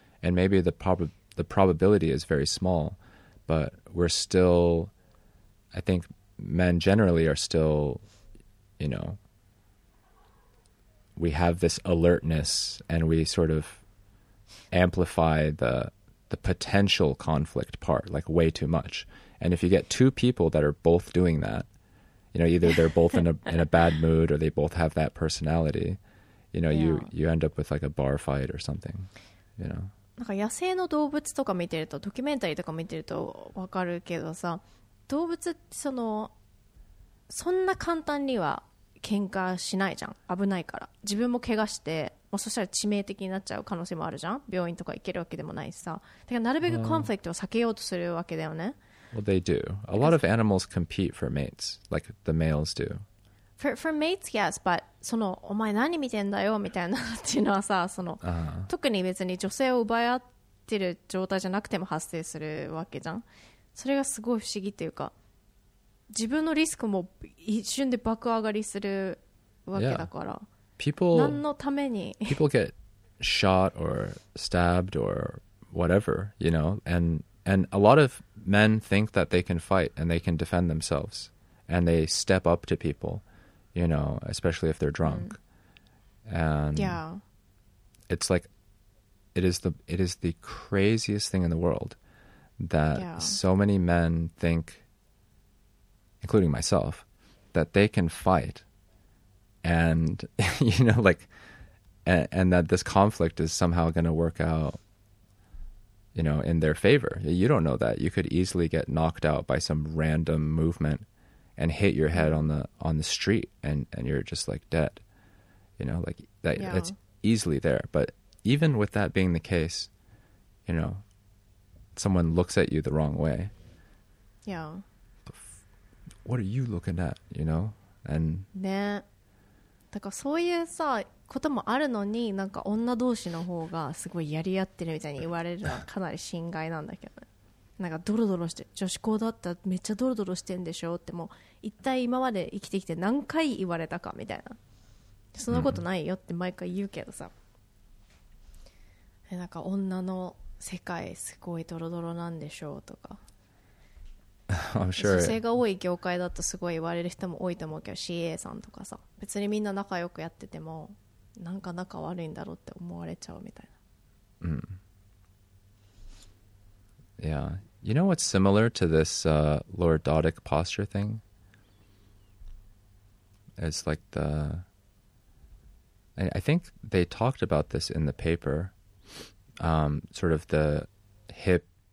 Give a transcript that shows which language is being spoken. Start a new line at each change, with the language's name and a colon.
English: And maybe the probability is very small, but we're still, I think men generally are still, you know, we have this alertness and we sort of amplify the potential conflict part, like way too much. And if you get two people that are both doing that, you know, either they're both in a bad mood or they both have that personality, you know, you end up with like a bar fight or something, you know.
Japanese: なんか野生の動物とか見てると、ドキュメンタリーとか見てるとわかるけどさ、動物ってそのそんな簡単には喧嘩しないじゃん、危ないから。自分も怪我して、もうそしたら致命的になっちゃう可能性もあるじゃん、病院とか行けるわけでもないしさ。だからなるべくコンフリクトを避けようとするわけだよね。
English: Well, they do. A lot of animals compete for mates, like the males do.
Japanese: For mates, yes, but そのお前何見てんだよみたいなっていうのはさ、その、特に別に女性を奪い合ってる状態じゃなくても発生するわけじゃん。それがすごい不思議っていうか、自分のリスクも一瞬で爆上がりするわけだから。
English: Yeah. People,
Japanese: 何のために
English: people get shot or stabbed or whatever, you know, and a lot of men think that they can fight and they can defend themselves and they step up to people. You know, especially if they're drunk. And yeah. It's like, it is the craziest thing in the world that so many men think, including myself, that they can fight and, you know, like, and that this conflict is somehow going to work out, you know, in their favor. You don't know that. You could easily get knocked out by some random movement. And hit your head on the street, and you're just like dead, you know, like that. Yeah. That's easily there. But even with that being the case, you know, someone looks at you the wrong way. Yeah. What are you looking at? You know, and.
Japanese: ね、だからそういうさこともあるのに、なんか女同士の方がすごいやり合ってるみたいに言われるのはかなり心外なんだけど。なんかドロドロして、女子校だったらめっちゃドロドロしてんでしょって、もう一体今まで生きてきて何回言われたかみたいな、そんなことないよって毎回言うけどさ、なんか女の世界すごいドロドロなんでしょうとか、
English: I'm sure.
Japanese: 女性が多い業界だとすごい言われる人も多いと思うけど、 CA さんとかさ、別にみんな仲良くやっててもなんか仲悪いんだろうって思われちゃうみたいな。
English: Yeah. You know what's similar to this lordotic posture thing? It's like the... I think they talked about this in the paper. Sort of the hip...